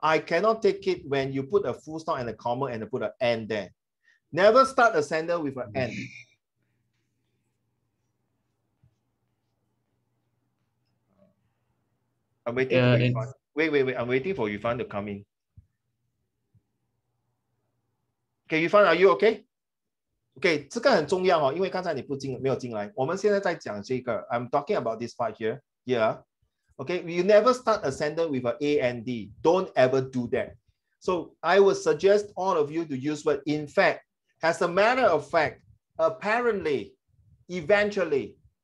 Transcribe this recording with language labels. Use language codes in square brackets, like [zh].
[en] I cannot take it when you put a full stop and a comma and put an and there. Never start a sentence with an and. I'm waiting for Yifan. Wait. I'm waiting for Yifan to come in. Okay, Yifan, are you okay? [zh] Okay, 这个很重要哦，因为刚才你不进，没有进来。我们现在在讲这个. [en] I'm talking about this part here. Yeah. Okay, you never start a sentence with an A and D. Don't ever do that. So I would suggest all of you to use word in fact. As a matter of fact, apparently, eventually.